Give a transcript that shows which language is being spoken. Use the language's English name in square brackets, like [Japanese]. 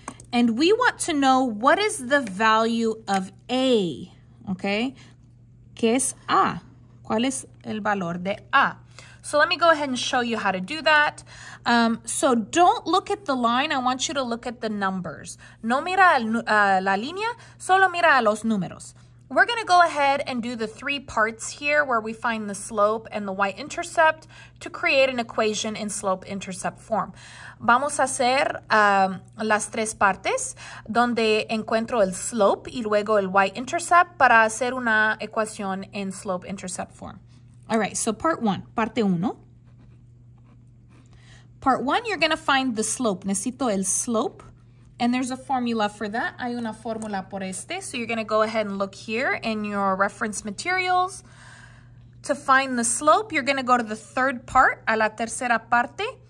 [English] And we want to know what is the value of a. [Spanish] Okay, ¿qué es A? ¿Cuál es el valor de A? [English] So let me go ahead and show you how to do that. So don't look at the line. I want you to look at the numbers. [Spanish] No mira la línea, solo mira los números. [English] We're going to go ahead and do the three parts here where we find the slope and the y-intercept to create an equation in slope-intercept form. [Spanish] Vamos a hacer las tres partes donde encuentro el slope y luego el y-intercept para hacer una ecuación en slope-intercept form. [English] All right, so part one, parte uno. Part one, you're going to find the slope. Necesito el slope. And there's a formula for that. Hay una fórmula por este. So you're going to go ahead and look here in your reference materials. To find the slope, you're going to go to the third part, a la tercera parte.